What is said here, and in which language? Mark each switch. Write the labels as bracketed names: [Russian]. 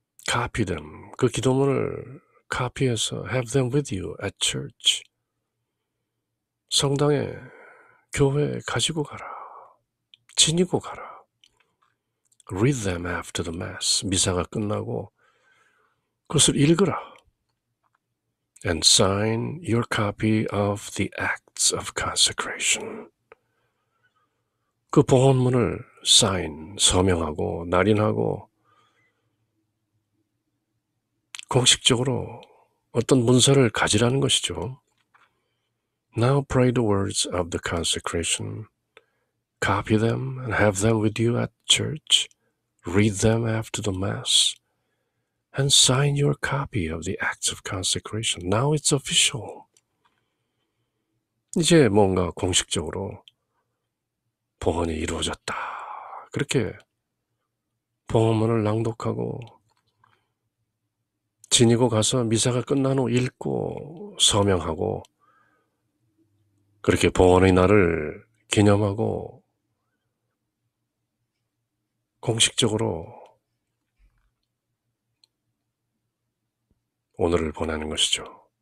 [English] Copy them. [Korean] 그 기도문을 [English] copy해서 have them with you at church. [Korean] 성당에, 교회에 가지고 가라. 지니고 가라. [English] Read them after the mass. [Korean] 미사가 끝나고 그것을 읽으라. [English] And sign your copy of the Acts of Consecration. [Korean] 그 봉헌문을 sign, 서명하고 날인하고 공식적으로 어떤 문서를 가지라는 것이죠. [English] Now pray the words of the consecration. Copy them and have them with you at church. Read them after the mass. And sign your copy of the Acts of Consecration. Now it's official. [Korean] 이제 뭔가 공식적으로 봉헌이 이루어졌다. 그렇게 봉헌문을 낭독하고 지니고 가서 미사가 끝난 후 읽고 서명하고 그렇게 봉헌의 날을 기념하고 공식적으로 오늘을 보내는 것이죠.